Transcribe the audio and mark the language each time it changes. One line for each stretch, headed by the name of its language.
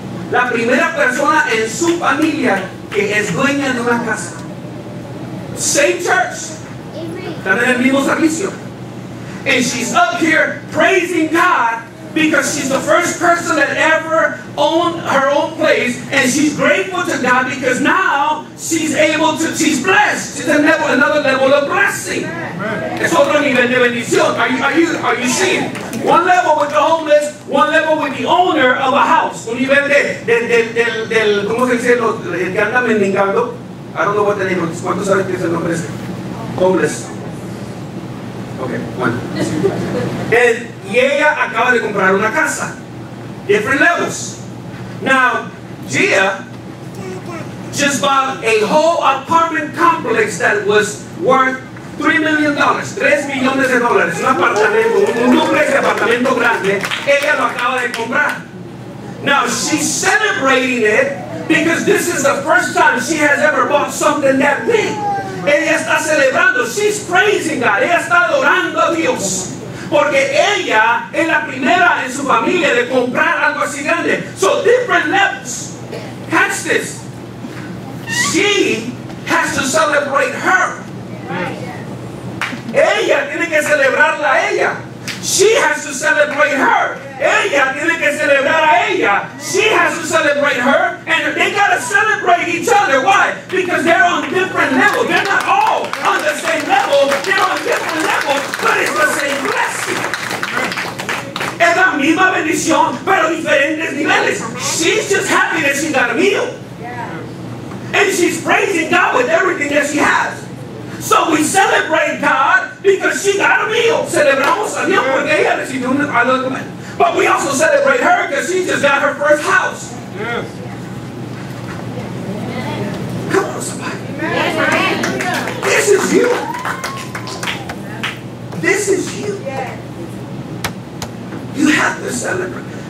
Spanish: La primera persona en su familia que es dueña de una casa.
English: Same church.
Spanish: Están en el mismo servicio.
English: And she's up here praising God because she's the first person that ever owned her own place. And she's grateful to God because now she's able to, she's blessed. She's another level of blessing. Amen.
Spanish: Es otro nivel de bendición.
English: Are you seeing? One level with the homeless, one level with the owner of a house.
Spanish: Un nivel del ¿cómo se dice? El que anda mendigando.
English: I don't know what the name is.
Spanish: ¿Cuántos saben que es el nombre ese? Homeless.
English: Okay, one.
Spanish: Y ella acaba de comprar una casa.
English: Different levels. Now, Gia just bought a whole apartment complex that was worth $3 million.
Spanish: $3 millones de dólares. Un apartamento, un duplex de apartamento grande. Ella lo acaba de comprar.
English: Now, she's celebrating it because this is the first time she has ever bought something that big.
Spanish: Ella está celebrando,
English: she's praising God,
Spanish: ella está adorando a Dios, porque ella es la primera en su familia de comprar algo así grande.
English: So different levels, catch this, she has to celebrate her,
Spanish: ella tiene que celebrarla a ella,
English: she has to celebrate her.
Spanish: Ella tiene que celebrar a ella.
English: She has to celebrate her. And they got to celebrate each other. Why? Because they're on different levels. They're not all on the same level. They're on different levels. But it's the same blessing.
Spanish: Es la misma bendición, pero diferentes niveles.
English: She's just happy that she got a meal. And she's praising God with everything that she has. So we celebrate God because she got a meal.
Spanish: Celebramos a Dios porque ella recibió un alimento.
English: But we also celebrate her because she just got her first house. Yes. Come on, somebody. Amen. This is you. This is you. You have to celebrate.